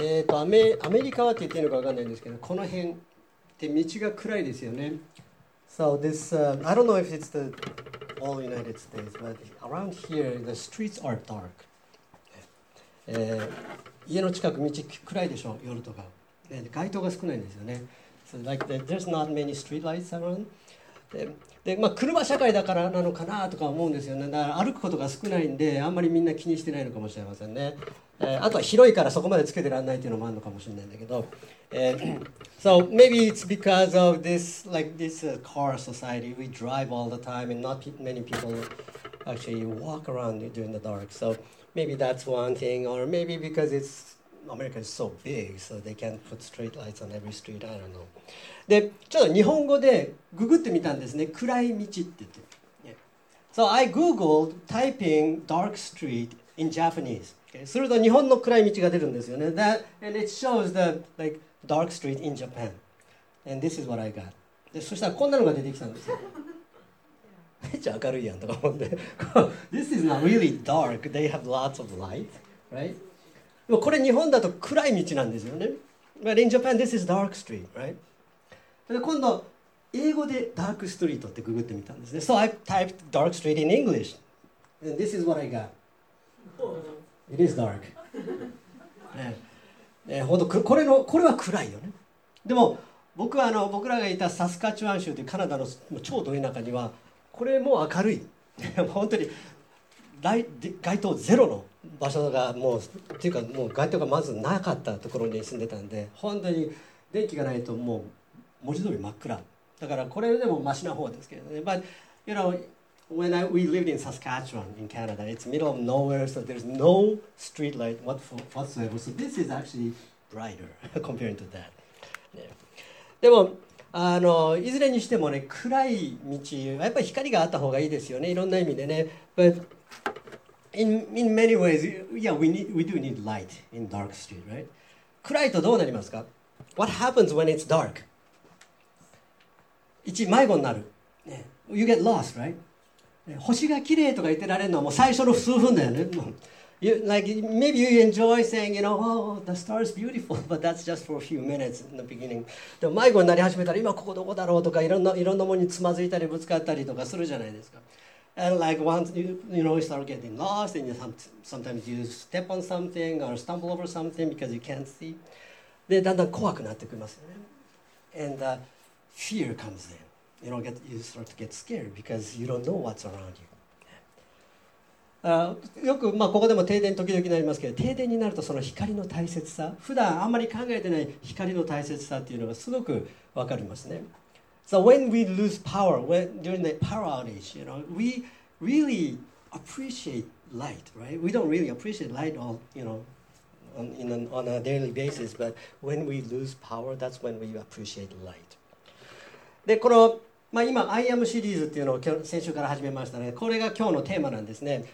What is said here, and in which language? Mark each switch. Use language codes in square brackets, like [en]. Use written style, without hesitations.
[ja] アメリカはって言っていいのか分かんないんですけど、この辺って道が暗いですよね。 [en] So this, I don't know if it's the all United States, but around here the streets are dark. [ja] 家の近く道暗いでしょ、夜とか。街灯が少ないんですよね。 [en] So like the, there's not many street lights around. [ja] でまあ、車社会だからなのかなとか思うんですよね。だから歩くことが少ないんで、あんまりみんな気にしてないのかもしれませんね。あとは広いからそこまでつけてらんないっていうのもあるのかもしれないんだけど。 [en] So maybe it's because of this, like this car society. We drive all the time and not many people actually walk around during the dark. So maybe that's one thing. Or maybe because it's America is so big, so they can't put street lights on every street. I don't know. [ja] で、ちょっと日本語でググってみたんですね。暗い道って言って。 [en] Yeah. So I googled typing dark street in Japanese. [ja] すると日本の暗い道が出るんですよね。 [en] That, and it shows the like, dark street in Japan. And this is what I got. [ja] でそしたらこんなのが出てきたんですよ。めっちゃ明るいやんとか思って。 [en] This is not really dark. They have lots of light. Right? [ja] でもこれ日本だと暗い道なんですよね。 [en] But in Japan, this is dark street. Right? [ja] で今度、英語でダークストリートってググってみたんですね。 [en] So I typed dark street in English. And this is what I got. It is dark. [ja] ね、本当 これは暗いよね。でも僕らがいたサスカチュアン州というカナダの超ど田舎にはこれも明るい。本当に街灯ゼロの場所がもうっていうかもう街灯がまずなかったところに住んでたんで、本当に電気がないともう文字通り真っ暗。だからこれでもマシな方ですけどね。 [en] But, you know,When we lived in Saskatchewan in Canada, it's middle of nowhere, so there's no street light whatsoever. So this is actually brighter compared to that.、Yeah. [ja] でもいずれにしてもね、暗い道はやっぱり光があった方がいいですよね。いろんな意味でね。 [en] But in many ways, yeah, we do need light in dark street, right? [ja] 暗いとどうなりますか？ [en] What happens when it's dark? [ja] 一、迷子になる。 [en] Yeah. You get lost, right? [ja] 星が綺麗とか言ってられるのはもう最初の数分だよね。 [en] You, like, maybe you enjoy saying, you know, oh, the star is beautiful, but that's just for a few minutes in the beginning. [ja] でも迷子になり始めたら今ここどこだろうとかいろんなものにつまずいたりぶつかったりとかするじゃないですか。 [en] And like once you start getting lost and sometimes you step on something or stumble over something because you can't see. [ja] で、だんだん怖くなってきますよね。 [en] And fear comes in. You start to get scared because you don't know what's around you. [ja] よく、まあ、ここでも停電時々なりますけど、停電になるとその光の大切さ、普段あんまり考えてない光の大切さっていうのがすごく分かりますね。 [en] So when we lose power, during the power outage, you know, we really appreciate light, right? We don't really appreciate light on a daily basis, but when we lose power, that's when we appreciate light. [ja] でこの、まあ、今 I am シリーズっていうのを先週から始めましたね。これが今日のテーマなんですね。